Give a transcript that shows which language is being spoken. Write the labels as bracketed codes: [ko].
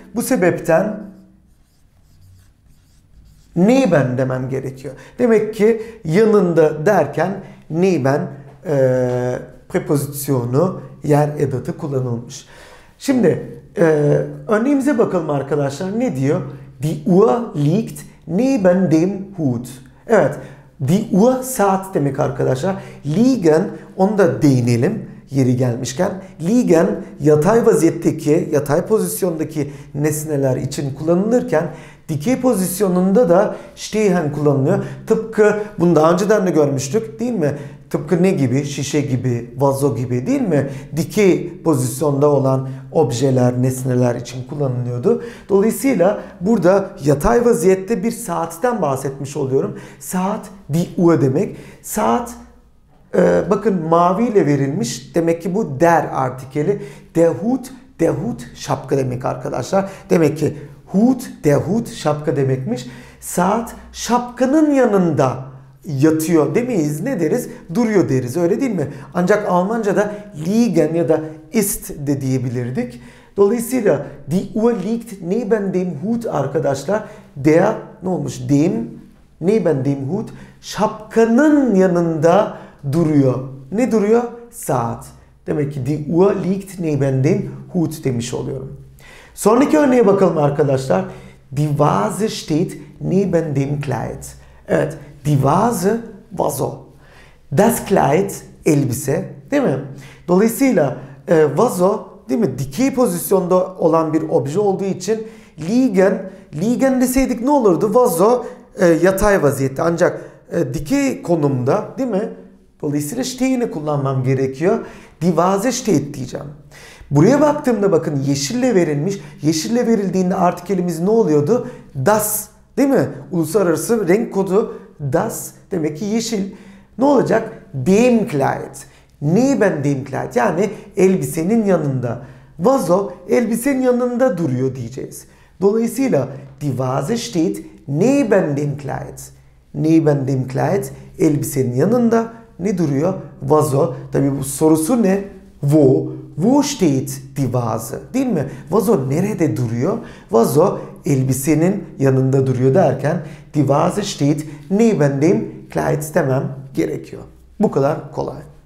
[tr] Bu sebepten neben demem gerekiyor. Demek ki yanında derken neben prepozisyonu, yer edatı kullanılmış. Şimdi örneğimize bakalım arkadaşlar. Ne diyor? [de] Die Uhr liegt neben dem Hut. [tr] Evet. [de] Die Uhr [tr] saat demek arkadaşlar. Liegen, onu da değinelim yeri gelmişken. Liegen yatay vaziyetteki, yatay pozisyondaki nesneler için kullanılırken dikey pozisyonunda da stehen kullanılıyor. Tıpkı bunu daha önceden de görmüştük, değil mi? Tıpkı ne gibi? Şişe gibi, vazo gibi, değil mi? Dikey pozisyonda olan objeler, nesneler için kullanılıyordu. Dolayısıyla burada yatay vaziyette bir saatten bahsetmiş oluyorum. Saat, [de] die Uhr [tr] demek. Saat, bakın mavi ile verilmiş. Demek ki bu der artikeli. [de] Der Hut, der Hut [tr] şapka demek arkadaşlar. Demek ki Hut, [de] der Hut [tr] şapka demekmiş. Saat şapkanın yanında yatıyor demeyiz. Ne deriz? Duruyor deriz. Öyle değil mi? Ancak Almanca'da liegen ya da ist de diyebilirdik. Dolayısıyla [de] die Uhr liegt neben dem Hut arkadaşlar. [tr] Der ne olmuş? [de] Dem neben dem Hut [tr] şapkanın yanında duruyor. Ne duruyor? Saat. Demek ki [de] die Uhr liegt neben dem Hut [tr] demiş oluyorum. Sonraki örneğe bakalım arkadaşlar. [de] Die Vase steht neben dem Kleid. [tr] Evet. [de] Die Vase, [tr] vazo. [de] Das Kleid, [tr] elbise. Değil mi? Dolayısıyla vazo, değil mi? Dikey pozisyonda olan bir obje olduğu için liegen, liegen deseydik ne olurdu? Vazo, yatay vaziyette. Ancak dikey konumda, değil mi? Dolayısıyla stehen'i kullanmam gerekiyor. [de] Die Vase steht [tr] diyeceğim. Buraya baktığımda bakın yeşille verilmiş. Yeşille verildiğinde artikelimiz ne oluyordu? Das, değil mi? Uluslararası renk kodu das. Demek ki yeşil. Ne olacak? [de] Dem Kleid. Neben dem Kleid? [tr] Yani elbisenin yanında. Vazo elbisenin yanında duruyor diyeceğiz. Dolayısıyla [de] die Vase steht neben dem Kleid. Neben dem Kleid? [tr] Elbisenin yanında. Ne duruyor? Vazo. Tabii bu sorusu ne? Wo? [de] Wo steht die Vase? [tr] Değil mi? Vazo nerede duruyor? Vazo elbisenin yanında duruyor derken [de] die Vase steht neben dem Kleid [tr] demem gerekiyor. Bu kadar kolay.